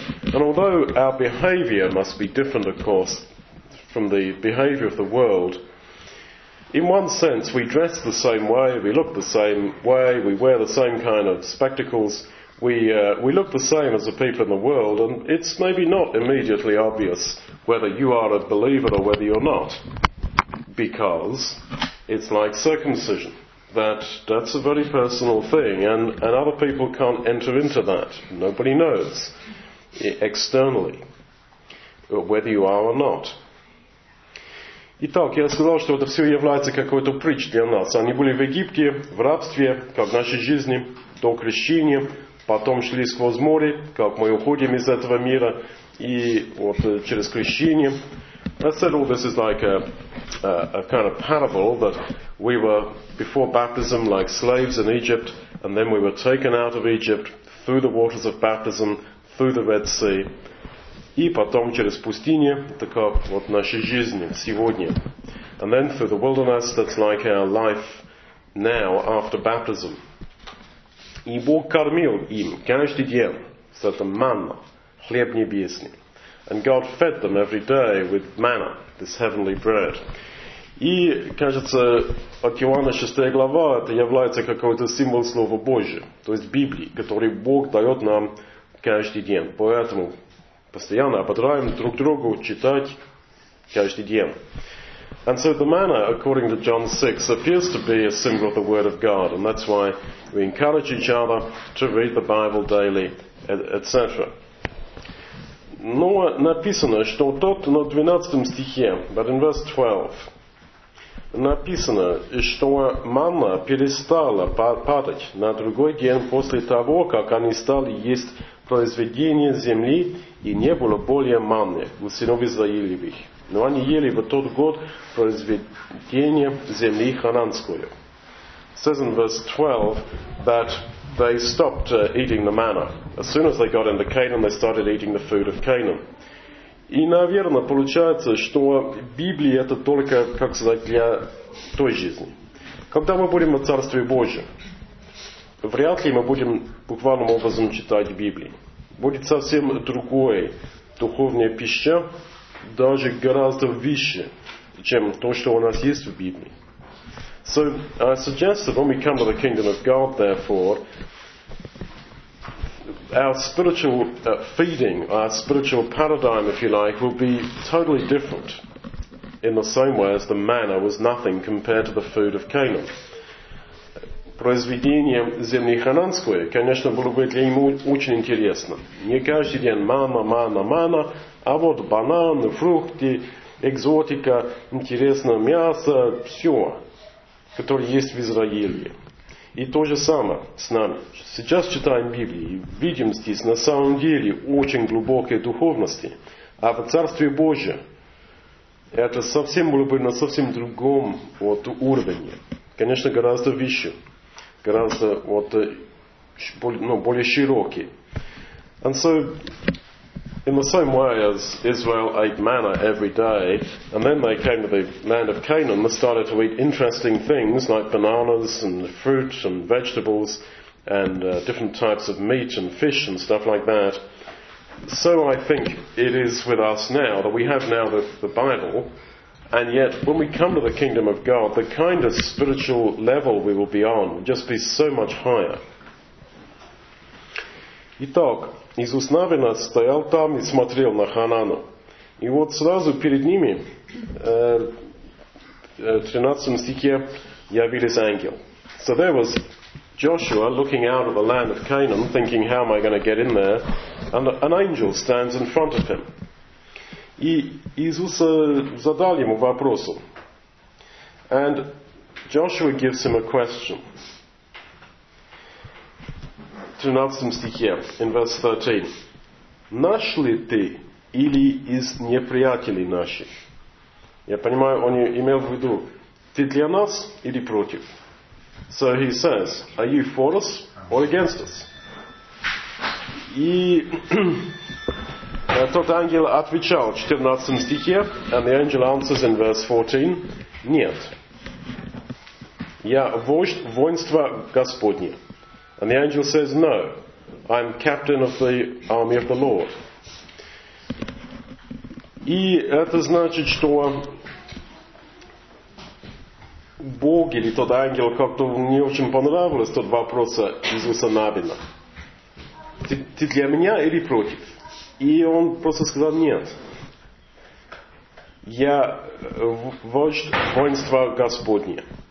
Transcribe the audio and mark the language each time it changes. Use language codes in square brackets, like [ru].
[en] And although our behavior must be different, of course, from the behavior of the world, in one sense we dress the same way, we look the same way, we wear the same kind of spectacles, we look the same as the people in the world, and it's maybe not immediately obvious whether you are a believer or whether you're not, because it's like circumcision. That's a very personal thing, and other people can't enter into that. Nobody knows externally whether you are or not. [ru] Итак, я сказал, что это все является какой-то притч для нас. Они были в Египте, в рабстве, как в нашей жизни, до крещения, потом шли сквозь море, как мы уходим из этого мира, и вот через крещение. [en] I said all this is like a kind of parable that we were before baptism like slaves in Egypt, and then we were taken out of Egypt through the waters of baptism, through the Red Sea. [ru] И потом через пустыню, это как вот наша жизнь сегодня. [en] And then through the wilderness, that's like our life now after baptism. [ru] И Бог кормил им каждый день с этой манной, хлеб небесный. [en] And God fed them every day with manna, this heavenly bread. [ru] И, кажется, от Иоанна 6 глава, это является какой-то символ Слова Божия, то есть Библии, который Бог дает нам каждый день. Поэтому постоянно ободряем друг другу читать каждый день. [en] And so the manna, according to John 6, appears to be a symbol of the Word of God, and that's why we encourage each other to read the Bible daily, etc. [ru] Но написано, что тот на 12 стихе, [en] but in verse 12, [ru] написано, что манна перестала падать на другой день после того, как они стали есть произведение земли, и не было более манны у сынов Израилевых. Но они ели в тот год произведение земли хананскую. [en] It says in verse 12 that they stopped eating the manna. As soon as they got into Canaan, they started eating the food of Canaan. [ru] И, наверное, получается, что Библия это только, как сказать, для той жизни. Когда мы будем в Царстве Божьем, вряд ли мы будем буквальным образом читать Библию. Будет совсем другое духовное пища, даже гораздо выше, чем то, что у нас есть в Библии. [en] So I suggest that when we come to the kingdom of God, therefore, our spiritual feeding, our spiritual paradigm, if you like, will be totally different in the same way as the manna was nothing compared to the food of Canaan. [ru] Произведение земли хананской, конечно, было бы для него очень интересно. Не каждый день мана, мана, мана, а вот бананы, фрукты, экзотика, интересное мясо, все, которое есть в Израиле. И то же самое с нами. Сейчас читаем Библию и видим здесь на самом деле очень глубокие духовности. А в Царстве Божьем это совсем было бы на совсем другом вот уровне. Конечно, гораздо выше. Гораздо вот, ну, более широкий. [en] And so, in the same way as Israel ate manna every day, and then they came to the land of Canaan and started to eat interesting things like bananas and fruit and vegetables and different types of meat and fish and stuff like that, so I think it is with us now, that we have now the Bible. And yet, when we come to the kingdom of God, the kind of spiritual level we will be on will just be so much higher. [ru] Итак, Иисус Навина стоял там и смотрел на Ханану. И вот сразу перед ними, в 13 стихе, явились ангел. [en] So there was Joshua looking out at the land of Canaan, thinking, how am I going to get in there? And an angel stands in front of him. [ru] И Иисус задал ему вопрос. [en] And Joshua gives him a question. [ru] 13 стихе, [en] in verse 13. [ru] Наш ли ты или из неприятелей наших? Я понимаю, он имел в виду, ты для нас или против? [en] So he says, are you for us or against us? [ru] И... Тот ангел отвечал в 14 стихе, [en] and the angel answers in verse 14, [ru] нет. Я вождь воинства Господня. [en] And the angel says, no, I'm captain of the army of the Lord. [ru] И это значит, что Бог или тот ангел как-то не очень понравился тот вопрос Иисуса Навина. Ты для меня или против? И он просто сказал, нет, я вождь воинства Господня.